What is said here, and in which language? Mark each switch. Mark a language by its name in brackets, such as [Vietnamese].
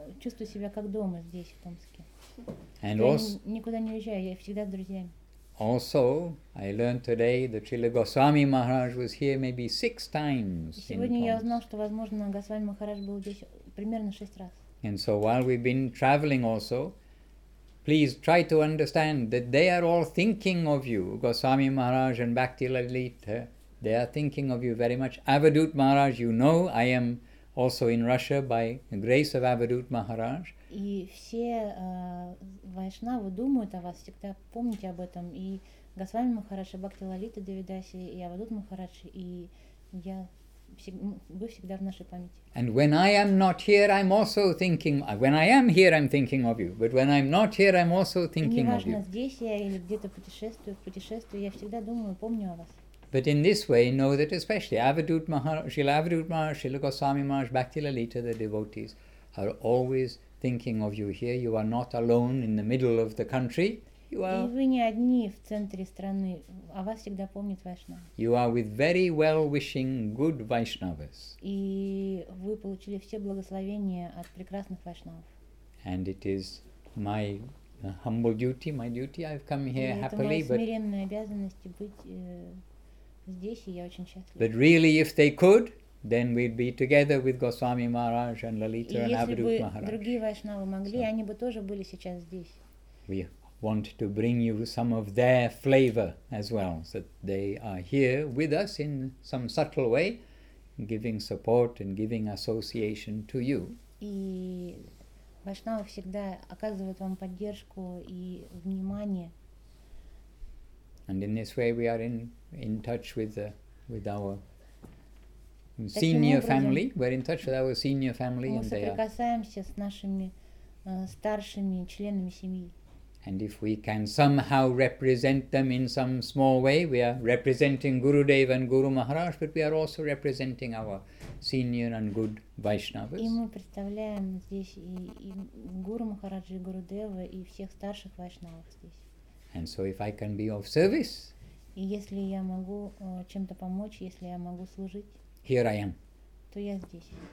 [Russian] Чувствую себя как дома здесь, в Томске. [English] And [Russian] я [English] also, [Russian] никуда не уезжаю, я всегда с друзьями. [English] Also, I learned today that Srila Goswami Maharaj was here maybe 6 times. [Russian] Сегодня я узнал, что, возможно, Госвами Махарадж был здесь примерно 6 раз. [English] And so while we've been traveling also, please try to understand that they are all thinking of you, Goswami Maharaj and Bhakti Lalita. They are thinking of you very much. Avadhut Maharaj, you know, I am also in Russia by the grace of Avadhut Maharaj. [Russian] И все вайшнавы думают о вас, всегда помните об этом. И Госвами Махарадж, и Бхакти Лалита Девидаси, и Авадут Махарадж, и я, вы всегда в нашей памяти. [English] And when I am not here, I'm also thinking, when I am here, I'm thinking of you. But when I'm not here, I'm also thinking of you. [Russian] Неважно, здесь я или где-то путешествую, я всегда думаю, помню о вас. [English] But in this way, know that especially Avadhut Maharaj, Srila Avadhut Maharaj, Srila Goswami Maharaj, Bhakti Lalita, the devotees, are always thinking of you here. You are not alone in the middle of the country. You are, [Russian] и вы не одни в центре страны, а вас всегда помнят вайшнавы. [English] You are with very well-wishing, good Vaishnavas. [Russian] И вы получили все благословения от прекрасных вайшнавов. [English] And it is my humble duty, my duty. I've come here [Russian] и [English] happily, [Russian] это моя смиренная обязанность быть... Здесь, и я очень счастлива. [English] But really, if they could, then we'd be together with Goswami Maharaj and Lalita and Avadhut Maharaj. [Russian] И если бы другие вайшнавы могли, они бы тоже были сейчас здесь. [English] We want to bring you some of their flavor as well, so that they are here with us in some subtle way, giving support and giving association to you. [Russian] И вайшнавы всегда оказывают вам поддержку и внимание. [English] And in this way, we are in touch with our senior family. We're in touch with our senior family, and they are. [Russian] Мы соприкасаемся с нашими старшими членами семьи. [English] And if we can somehow represent them in some small way, we are representing Gurudev and Guru Maharaj, but we are also representing our senior and good Vaishnavas. [Russian] И мы представляем здесь и Гуру Махараджа, и Гурудева, и всех старших вайшнавов здесь. [English] And so if I can be of service, [Russian] и если я могу чем-то помочь, если я могу служить, [English] here I am. [Russian] То я здесь.